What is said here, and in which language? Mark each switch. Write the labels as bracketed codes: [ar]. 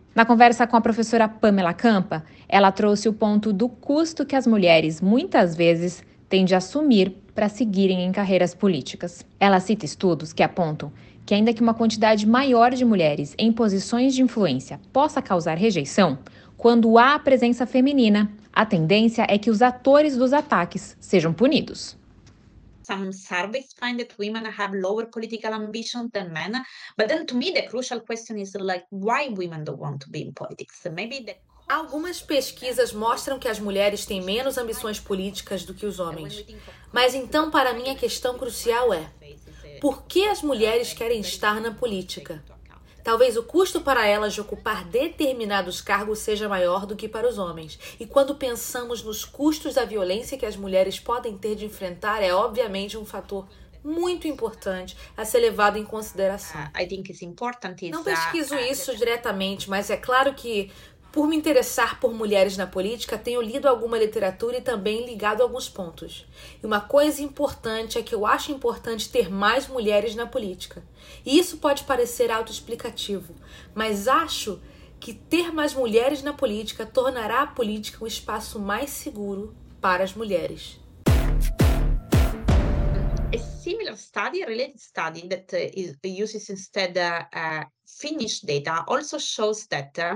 [pt] Na conversa com a professora Pamela Campa, ela trouxe o ponto do custo que as mulheres, muitas vezes, têm de assumir para seguirem em carreiras políticas. Ela cita estudos que apontam que, ainda que uma quantidade maior de mulheres em posições de influência possa causar rejeição, quando há a presença feminina, a tendência é que os atores dos ataques sejam punidos. [en] Some surveys find that women have lower political ambition than men, but then to me the crucial question is like why women don't want to be in politics. Maybe the... [pt] Algumas pesquisas mostram que as mulheres têm menos ambições políticas do que os homens. Mas então, para mim, a questão crucial é: por que as mulheres querem estar na política? Talvez o custo para elas de ocupar determinados cargos seja maior do que para os homens. E quando pensamos nos custos da violência que as mulheres podem ter de enfrentar, é obviamente um fator muito importante a ser levado em consideração. Não pesquiso isso diretamente, mas é claro que, por me interessar por mulheres na política, tenho lido alguma literatura e também ligado alguns pontos. E uma coisa importante é que eu acho importante ter mais mulheres na política. E isso pode parecer autoexplicativo, mas acho que ter mais mulheres na política tornará a política um espaço mais seguro para as mulheres. [en] A similar study, a related study that uses instead Finnish data also shows that